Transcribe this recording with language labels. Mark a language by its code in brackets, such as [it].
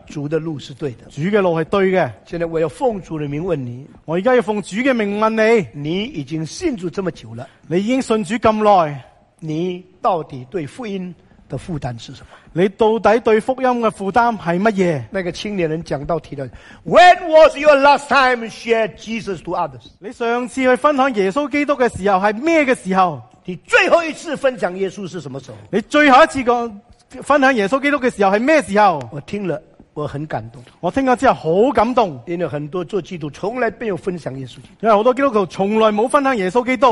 [zh] 主的路是对的，主的路是对的。现在我要奉主的名问你，我现在要奉主的名问你，你已经信主这么久了，你已经信主这么久，你到底对福音的负担是什么？你到底对福音的负担是什么？那个青年人讲到提到 [en] When was your last time share Jesus to others？ [zh] 你上次去分享耶稣基督的时候是什么时候？你最后一次分享耶稣是什么时候？你最后一次分享耶稣基督的时候是什么时候？我听了我很感动，我听了之后很感动。因为很多做基督徒从来没有分享耶稣基督，因为很多基督徒从来没有分享耶稣基督，